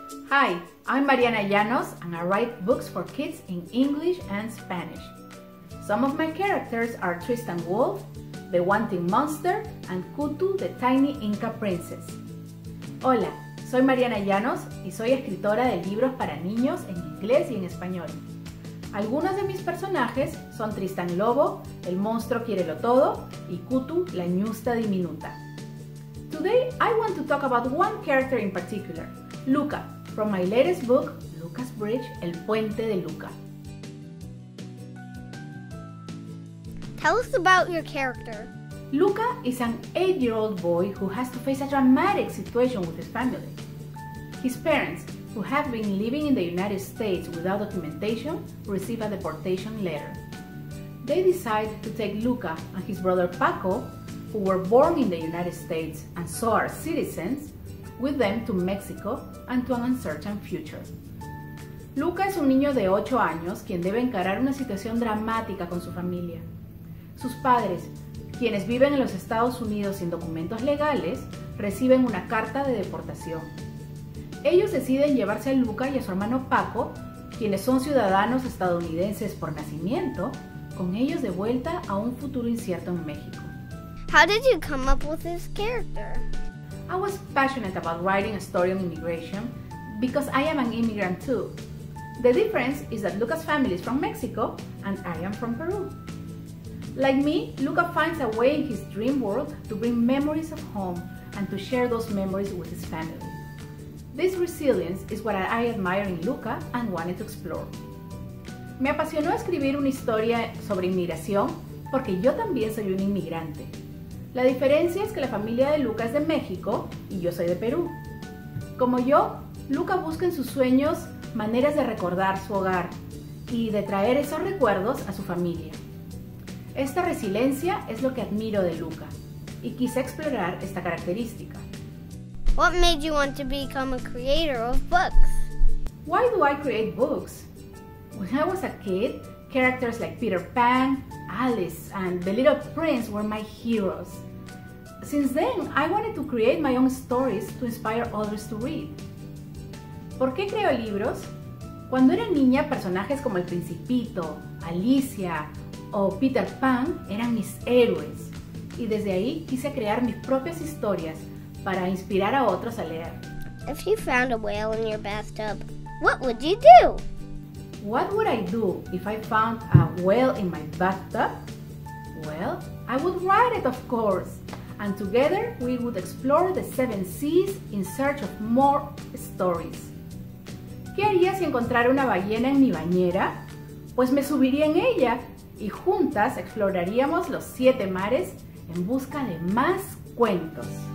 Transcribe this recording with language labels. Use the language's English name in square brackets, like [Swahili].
[English] Hi, I'm Mariana Llanos, and I write books for kids in English and Spanish. Some of my characters are Tristan Wolf, the Wanting Monster, and Kutu, the Tiny Inca Princess. [Spanish] Hola, soy Mariana Llanos, y soy escritora de libros para niños en inglés y en español. Algunos de mis personajes son Tristan Lobo, el monstruo quiérelo todo, y Kutu, la ñusta diminuta. [English] Today, I want to talk about one character in particular, Luca, from my latest book, Luca's Bridge, El Puente de Luca. Tell us about your character. Luca is an 8-year-old boy who has to face a dramatic situation with his family. His parents, who have been living in the United States without documentation, receive a deportation letter. They decide to take Luca and his brother Paco, who were born in the United States and so are citizens, with them to Mexico and to an uncertain future. [Spanish] Luca es un niño de 8 años quien debe encarar una situación dramática con su familia. Sus padres, quienes viven en los Estados Unidos sin documentos legales, reciben una carta de deportación. Ellos deciden llevarse a Luca y a su hermano Paco, quienes son ciudadanos estadounidenses por nacimiento, con ellos de vuelta a un futuro incierto en México. [English] How did you come up with this character? I was passionate about writing a story on immigration because I am an immigrant too. The difference is that Luca's family is from Mexico and I am from Peru. Like me, Luca finds a way in his dream world to bring memories of home and to share those memories with his family. This resilience is what I admire in Luca and wanted to explore. [Spanish] Me apasionó escribir una historia sobre inmigración porque yo también soy un inmigrante. La diferencia es que la familia de Luca es de México y yo soy de Perú. Como yo, Luca busca en sus sueños maneras de recordar su hogar y de traer esos recuerdos a su familia. Esta resiliencia es lo que admiro de Luca y quise explorar esta característica. [English] What made you want to become a creator of books? Why do I create books? When I was a kid, characters like Peter Pan, Alice, and The Little Prince were my heroes. Since then, I wanted to create my own stories to inspire others to read. [Spanish] ¿Por qué creo libros? Cuando era niña, personajes como El Principito, Alicia, o Peter Pan eran mis héroes. Y desde ahí, quise crear mis propias historias para inspirar a otros a leer. [English] If you found a whale in your bathtub, what would you do? What would I do if I found a whale in my bathtub? Well, I would write it, of course. And together, we would explore the seven seas in search of more stories. [Spanish] ¿Qué haría si encontrara una ballena en mi bañera? Pues me subiría en ella y juntas exploraríamos los siete mares en busca de más cuentos.